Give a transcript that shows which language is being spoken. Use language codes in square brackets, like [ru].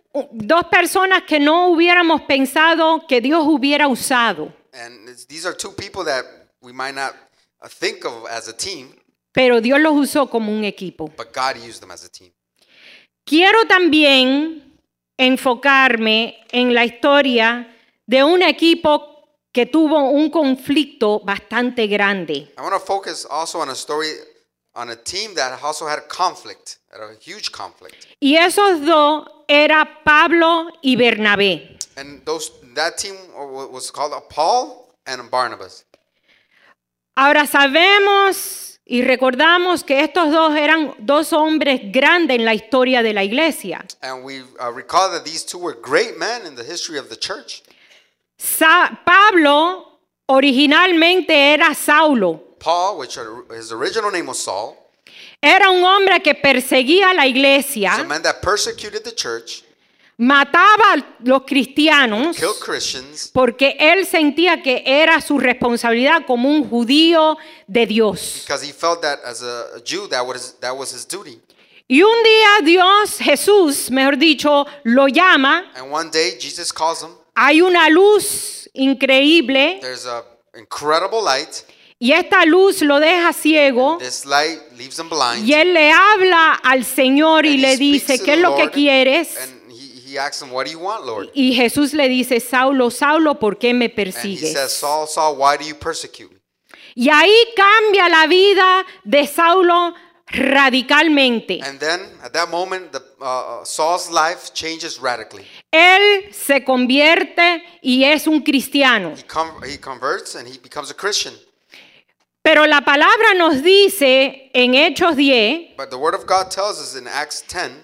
[es] Dos personas que no hubiéramos pensado que Dios hubiera usado. [en] And these are two people that we might not think of as a team. [es] Pero Dios los usó como un equipo. [en] But God used them as a team. [es] Quiero también enfocarme en la historia de un equipo que tuvo un conflicto bastante grande. [en] I want to focus also on a story on a team that also had a conflict, had a huge conflict. [es] Y esos dos era Pablo y Bernabé. [en] And that team was called Paul and Barnabas. [es] Ahora sabemos y recordamos que estos dos eran dos hombres grandes en la historia de la iglesia. [en] And we recall that these two were great men in the history of the church. [es] Pablo originalmente era Saulo. [en] Paul, which his original name was Saul. [es] Era un hombre que perseguía la iglesia. [en] A man that persecuted the church. [es] Mataba a los cristianos. [en] Killed Christians. [es] Porque él sentía que era su responsabilidad como un judío de Dios. [en] Because he felt that as a Jew that was his duty. [es] Y un día Jesús, mejor dicho, lo llama. [en] And one day Jesus calls him. [es] Hay una luz increíble. [en] There's an incredible light. [es] Y esta luz lo deja ciego. [en] This light leaves him blind. [es] Y él le habla al Señor y le dice, ¿qué es lo que quieres? [en] He asks him, what do you want, Lord? [es] Y Jesús le dice, Saulo, Saulo, ¿por qué me persigues? [en] And he says, Saul, Saul, why do you persecute me? [es] Y ahí cambia la vida de Saulo radicalmente. [en] And then, at that moment, the, Saul's life changes radically. [es] Él se convierte y es un cristiano. [en] He converts and he becomes a Christian. [es] Pero la palabra nos dice en Hechos 10, [en] but the word of God tells us in Acts 10,